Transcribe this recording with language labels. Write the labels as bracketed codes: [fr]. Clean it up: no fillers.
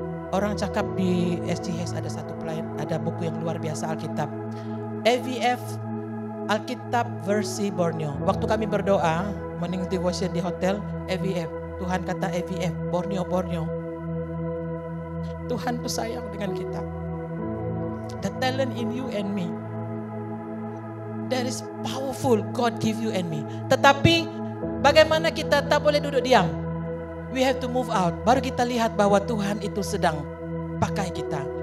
[ms] Orang cakap di SGS ada satu pelayan, ada buku yang luar biasa Alkitab. AVF. Alkitab versi Borneo. Waktu kami berdoa, morning devotion di hotel, AVF. Tuhan kata AVF, Borneo. Tuhan tuh sayang dengan kita. [en] the talent in you and me. That is powerful God give you and me. [ms] Tetapi bagaimana kita tak boleh duduk diam? [en] We have to move out. [ms] Baru kita lihat bahwa Tuhan itu sedang pakai kita.